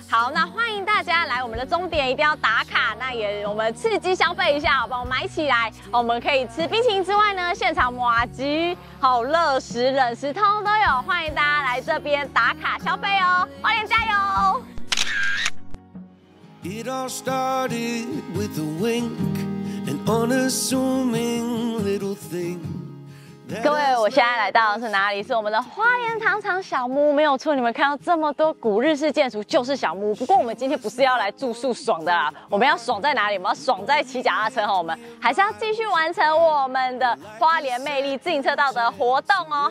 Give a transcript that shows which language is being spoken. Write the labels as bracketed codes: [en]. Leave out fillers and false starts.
[zh] 好，那欢迎大家来我们的终点，一定要打卡。那也我们刺激消费一下，好，帮我买起来。我们可以吃冰淇淋之外呢，现场抹吉、好乐食、冷食通都有，欢迎大家来这边打卡消费哦，花莲加油！ [en] It all started with a wink, an unassuming little thing. [zh] 各位，我现在来到的是哪里？是我们的花莲糖厂小木屋，没有错，你们看到这么多古日式建筑，就是小木屋。不过我们今天不是要来住宿爽的啦，我们要爽在哪里？我们要爽在骑脚踏车哈，我们还是要继续完成我们的花莲魅力自行车道的活动哦。